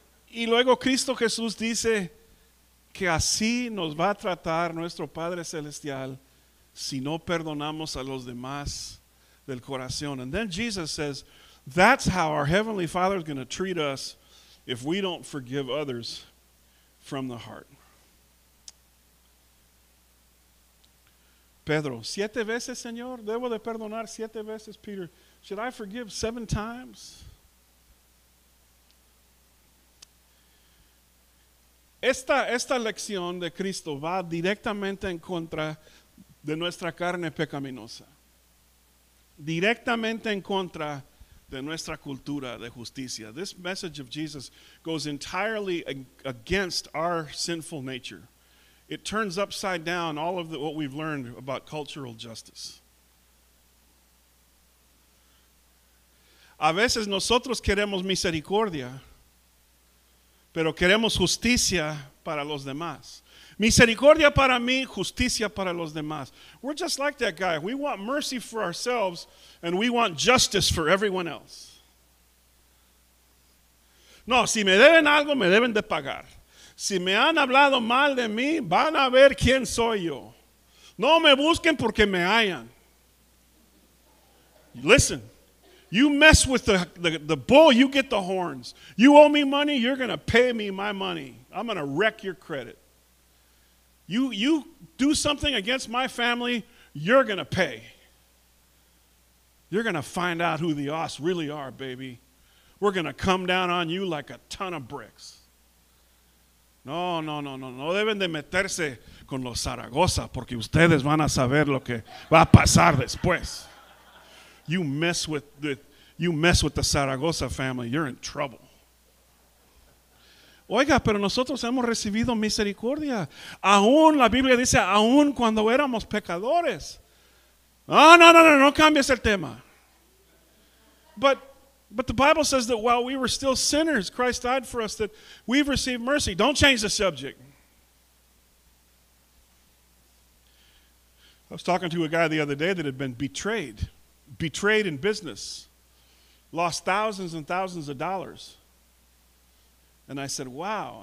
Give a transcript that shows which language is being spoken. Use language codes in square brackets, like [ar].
[es] Y luego Cristo Jesús dice que así nos va a tratar nuestro Padre Celestial si no perdonamos a los demás del corazón. [en] And then Jesus says, that's how our Heavenly Father is going to treat us if we don't forgive others from the heart. [es] Pedro, siete veces, Señor. Debo de perdonar siete veces, Peter. [en] Should I forgive seven times? [es] Esta lección de Cristo va directamente en contra de nuestra carne pecaminosa. Directamente en contra de nuestra cultura de justicia. [en] This message of Jesus goes entirely against our sinful nature. It turns upside down all of what we've learned about cultural justice. [es] A veces nosotros queremos misericordia, pero queremos justicia para los demás. Misericordia para mí, justicia para los demás. [en] We're just like that guy. We want mercy for ourselves and we want justice for everyone else. [es] No, si me deben algo, me deben de pagar. Si me han hablado mal de mí, van a ver quién soy yo. No me busquen porque me hayan. [en] Listen, you mess with the bull, you get the horns. You owe me money, you're going to pay me my money. I'm going to wreck your credit. You do something against my family, you're going to pay. You're going to find out who the oss really are, baby. We're going to come down on you like a ton of bricks. [es] No, no, no, no. No deben de meterse con los Zaragoza porque ustedes van a saber lo que va a pasar después. [en] you mess with the Zaragoza family, you're in trouble. [es] Oiga, pero nosotros hemos recibido misericordia. Aún, la Biblia dice, aún cuando éramos pecadores. Ah, no cambies el tema. [en] But the Bible says that while we were still sinners, Christ died for us, that we've received mercy. Don't change the subject. I was talking to a guy the other day that had been betrayed in business, lost thousands and thousands of dollars. And I said, wow.